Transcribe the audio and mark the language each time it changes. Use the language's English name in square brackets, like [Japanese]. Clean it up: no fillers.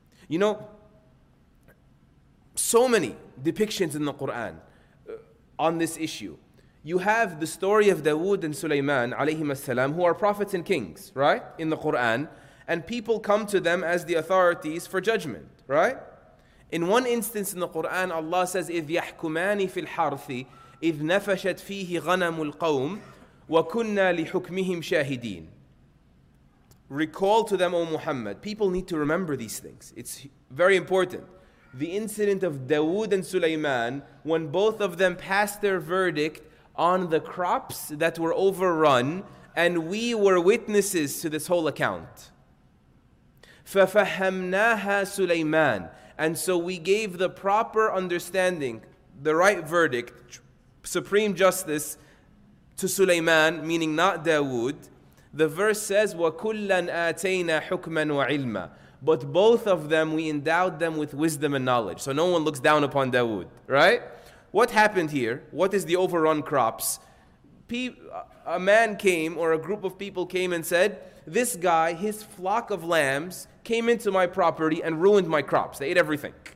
[English] You know, so many depictions in the Qur'an on this issue. You have the story of Dawood and Sulaiman, alayhim as-salam, who are prophets and kings, right? In the Qur'an. And people come to them as the authorities for judgment. Right? In one instance in the Quran, Allah says, [Arabic] إِذْ يَحْكُمَانِ فِي الْحَرْثِ إِذْ نَفَشَتْ فِيهِ غَنَمُ الْقَوْمِ وَكُنَّا لِحُكْمِهِمْ شَاهِدِينَ. [English] Recall to them, O Muhammad. People need to remember these things. It's very important. The incident of Dawood and Sulaiman, when both of them passed their verdict on the crops that were overrun, and we were witnesses to this whole account. [Arabic] فَفَهَّمْنَاهَا سُلَيْمَانَ. [English] And so we gave the proper understanding, the right verdict, supreme justice, to Sulaiman, meaning not Dawood. The verse says, [Arabic] وَكُلًّا آتَيْنَا حُكْمًا وَعِلْمًا. [English] But both of them, we endowed them with wisdom and knowledge. So no one looks down upon Dawood, right? What happened here? What is the overrun crops? A man came, or a group of people came and said, this guy, his flock of lambs, came into my property and ruined my crops. They ate everything.